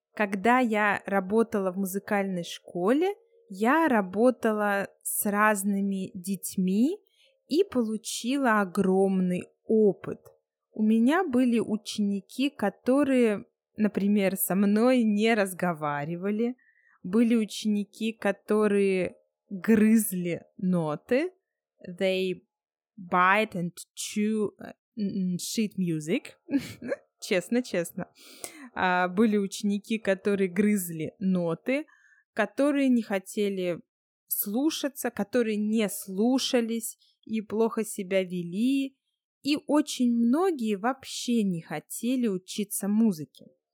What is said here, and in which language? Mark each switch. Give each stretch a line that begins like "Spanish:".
Russian: Когда я работала в музыкальной школе, я работала с разными детьми и получила огромный опыт. У меня были ученики, которые, например, со мной не разговаривали. Были ученики, которые грызли ноты.
English: They bite and chew shit music.
Russian: Честно-честно. Были ученики, которые грызли ноты, которые не хотели слушаться, которые не слушались и плохо себя вели, и очень многие вообще не хотели учиться музыке.